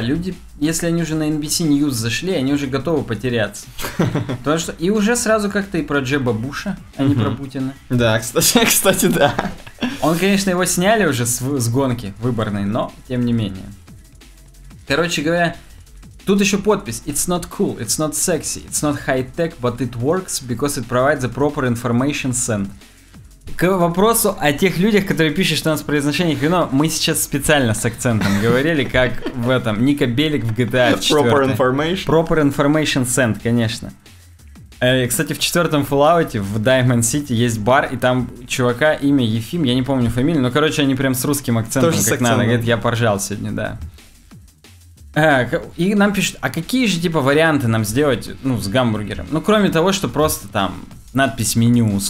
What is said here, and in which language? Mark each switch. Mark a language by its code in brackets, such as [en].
[ru] Люди, если они уже на NBC News зашли, они уже готовы потеряться. Потому что и уже сразу как-то и про Джеба Буша, а не про Путина. Да, кстати, да. Он, конечно, его сняли уже с гонки выборной, но тем не менее. Короче говоря, тут еще подпись. [en] It's not cool, it's not sexy, it's not high-tech, but it works because it provides the proper information send. [ru] К вопросу о тех людях, которые пишут, что у нас произношение хрено, мы сейчас специально с акцентом говорили, как в этом, Ника Белик в GTA 4. [en] Proper information. Proper information send, [ru] конечно. Кстати, в четвертом Fallout'е в Diamond City есть бар, и там чувака, имя Ефим, я не помню фамилию, но, короче, они прям с русским акцентом, тоже как акцентом надо, говорит, я поржал сегодня, да. И нам пишут, а какие же, типа, варианты нам сделать, ну, с гамбургером? Ну, кроме того, что просто там надпись меню условно.